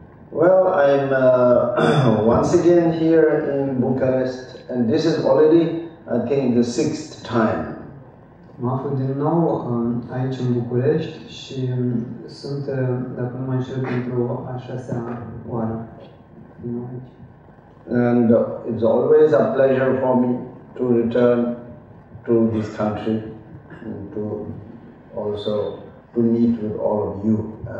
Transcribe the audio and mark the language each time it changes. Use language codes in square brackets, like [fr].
[en] Well, I'm once again here in Bucharest, and this is already, I think, the sixth time. [ro] Mă aflu din nou aici în București și sunt, dacă nu mă înșel, pentru a șasea oară. [en] And it's always a pleasure for me to return to this country and to also to meet with all of you.